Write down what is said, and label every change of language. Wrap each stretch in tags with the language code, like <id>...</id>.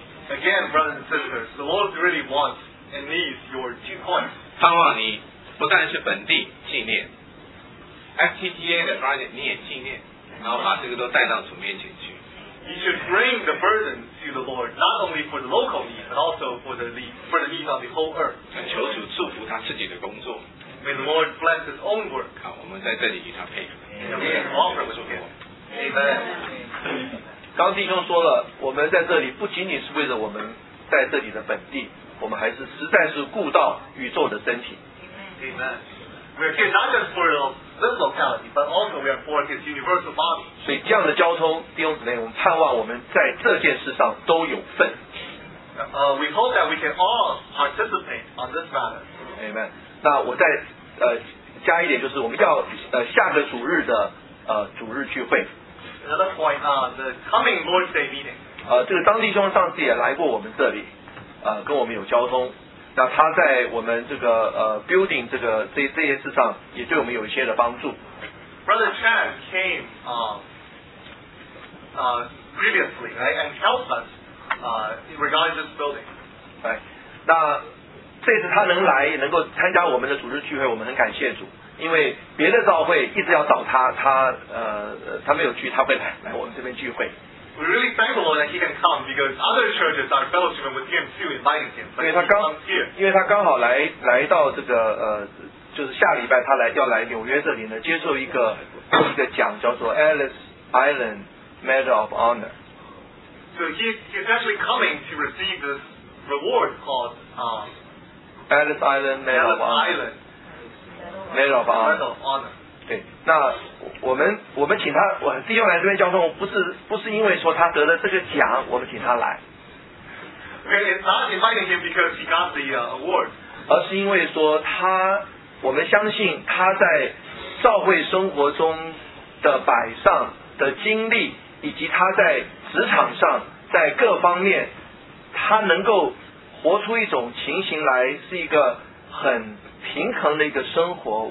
<en>Again, brothers and sisters, the Lord really wants and needs your two coins.</en> <zh>盼望你不但是本地纪念 FTTA 的 project， 你也纪念，然后把这个都带到主面前去。</zh> <en>You should bring the burden to the Lord, not only for the local need, but also for the need of the whole earth.</en> <zh>那求主祝福他自己的工作。</zh> <en>May the Lord bless his own work.</en> <zh>好，我们在这里与他配合。</zh> <en>Amen. Amen.</en> <zh>刚弟兄说了，我们在这里不仅仅是为了我们在这里的本地，我们还是实在是顾到宇宙的身体。</zh> <en>Amen. We are here not just for this locality, but also we are for His universal body.</en> <zh>所以这样的交通，弟兄姊妹，我们盼望我们在这件事上都有份。</zh> <en>We hope that we can all participate on this matter. Amen.</en> <zh>那我再加一点，就是我们要下个主日的主日聚会。</zh> <en>Another point, the coming Lord's Day meeting.</en> <zh>这个张弟兄上次也来过我们这里，跟我们有交通。那他在我们这个building 这些事上也对我们有一些的帮助。</zh> <en>Brother Chan came previously, right, and helped us regarding this building. Right.</en> <zh>那这次他能来，能够参加我们的主日聚会，我们很感谢主。因为别的教会一直要找他，他没有去，他会来我们这边聚会。</zh> <en>We really thank the Lord that he can come because other churches are fellowshipping with him too, inviting him.</en> <zh>因为他刚好来到这个就是下礼拜他来要来纽约这里呢，接受一个奖，叫做 Ellis Island Medal of Honor.</zh> <en>So he's actually coming to receive this reward called Ellis Island Medal of Honor. Medal of Honor.</en> <zh>对，那我们请他，我弟兄来这边交通，不是因为说他得了这个奖，我们请他来。</zh> <en>Okay, it's not inviting him because he got the award.</en> <zh>而是因为说他，我们相信他在教会生活中的摆上的经历，以及他在职场上在各方面，他能够活出一种情形来，是一个很平衡的一个生活。</zh>